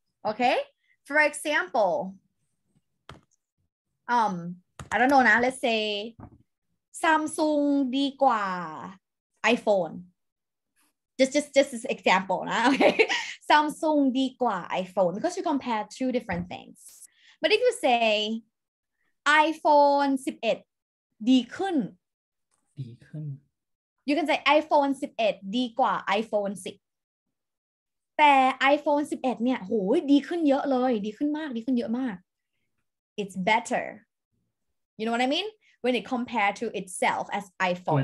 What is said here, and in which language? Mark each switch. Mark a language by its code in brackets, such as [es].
[en] Okay? For example, I don't know now, let's say Samsung ดีกว่า iPhone. Just this example, นะ? Okay? Samsung ดีกว่า iPhone because you compare two different things. But if you say iPhone 11ดีขึ้น [th] ดีขึ้น [en] You can say [th] iPhone 11ดีกว่า iPhone 10แต่ iPhone 11เนี่ยโหยดีขึ้นเยอะเลยดีขึ้นมากดีขึ้นเยอะมาก [en] It's better You know what I mean? When it compared to itself as iPhone